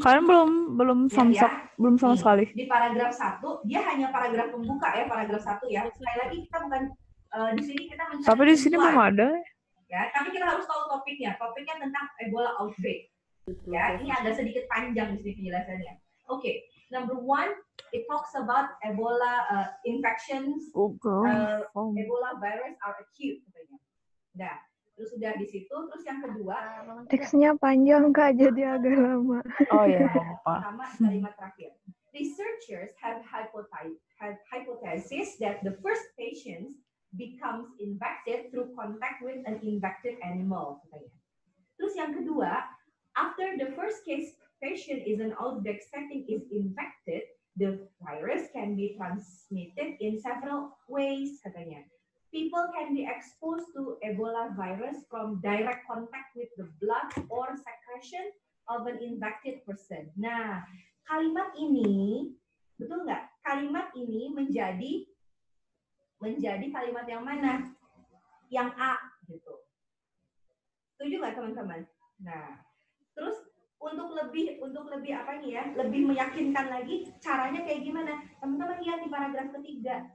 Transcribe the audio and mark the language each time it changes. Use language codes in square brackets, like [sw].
[id] Kalian belum sama, ya, ya? Belum sama sekali. Di paragraf 1, dia hanya paragraf pembuka ya, paragraf 1 ya. Sekali lagi kita bukan di sini kita mencari. Tapi di sini belum ada. Ya, tapi kita harus tahu topiknya. Topiknya tentang Ebola outbreak. Ya, ini agak sedikit panjang di sini penjelasannya. Oke, okay. [en] Number 1, it talks about Ebola infections. Ebola virus are acute katanya. [id] Nah, terus sudah di situ. Terus yang kedua, teksnya panjang kak, jadi agak lama. Oh iya, apa? Sama kalimat terakhir. [en] Researchers have hypothesis that the first patients becomes infected through contact with an infected animal. Katanya. [id] Terus yang kedua, [en] after the first case patient is an outbreak setting is infected, the virus can be transmitted in several ways. Katanya. People can be exposed to Ebola virus from direct contact with the blood or secretion of an infected person. [id] Nah, kalimat ini, betul nggak? Kalimat ini menjadi kalimat yang mana? Yang A, gitu. Setuju nggak, teman-teman? Nah, terus untuk lebih apa nih ya, lebih meyakinkan lagi caranya kayak gimana, teman-teman lihat di paragraf ketiga.